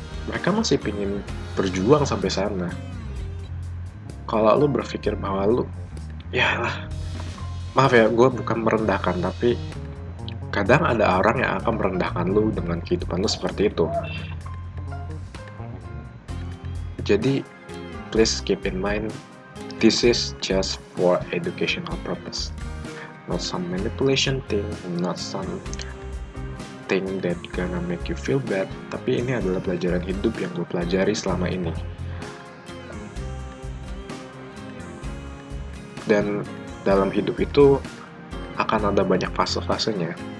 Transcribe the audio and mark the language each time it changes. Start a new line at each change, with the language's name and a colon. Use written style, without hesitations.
Indonesian: Mereka masih pingin berjuang sampai sana. Kalau lu berpikir bahwa lu, yalah, maaf ya, gue bukan merendahkan, tapi kadang ada orang yang akan merendahkan lu dengan kehidupan lu seperti itu.
English: Jadi, please keep in mind, this is just for educational purpose. Not some manipulation thing, not some thing that gonna make you feel bad.
Indonesian: Tapi ini adalah pelajaran hidup yang gue pelajari selama ini. Dan dalam hidup itu akan ada banyak fase-fasenya.